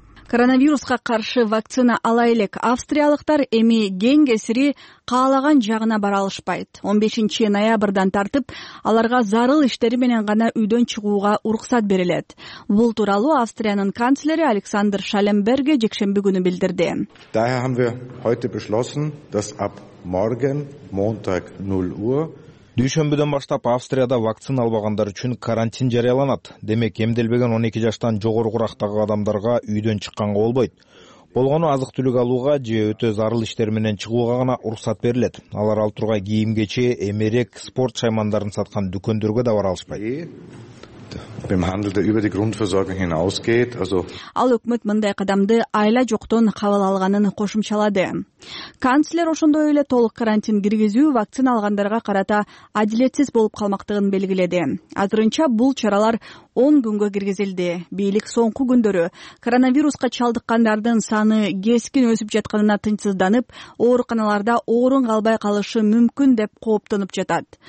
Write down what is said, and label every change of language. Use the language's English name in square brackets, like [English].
[Kyrgyz] Коронавируска каршы вакцина ала элек. Австриялыктар эми кең кесири каалаган жагына бара алышпайт. 15 ноябрдан тартып аларга зарыл иштери менен гана үйдөн чыгууга уруксат берилет. Бул тууралуу Австриянын канцлери Александр Шаленберге жекшемби күнү билдирди. [German] Daher haben wir heute beschlossen, dass ab morgen Montag 0 Uhr [Kyrgyz] Дүйшөмбүдөн баштап Австрияда вакцина албагандар үчүн карантин жарыяланат. Демек, эмделбеген 12 жаштан жогорукураактагы адамдарга үйдөн чыкканга болбойт. Болгону азык-түлүк алууга же өтө зарыл иштер менен чыгууга гана уруксат берилет. Алар ал тургай кийим кечээ, эмерек, спорт шаймандарын саткан дүкөндөргө да бара алышпайт. [German] Beim Handel, der über die Grundversorgung hinausgeht, also [Kyrgyz] Ал өкмөт мындай кадамды айла жоктон кабыл алганын кошумчалады. Канцлер ошондой эле толук карантин киргизүү вакцина алгандарга карата адилетсиз болуп калмактыгын белгиледи. Азырынча бул чаралар 10 күнгө киргизилди. Бийлик соңку күндөрү коронавируска чалдыккандардын саны кескин өсүп жатканына тынчсызданып, ооруканаларда орун калбай калышы мүмкүн деп кооптонуп жатат.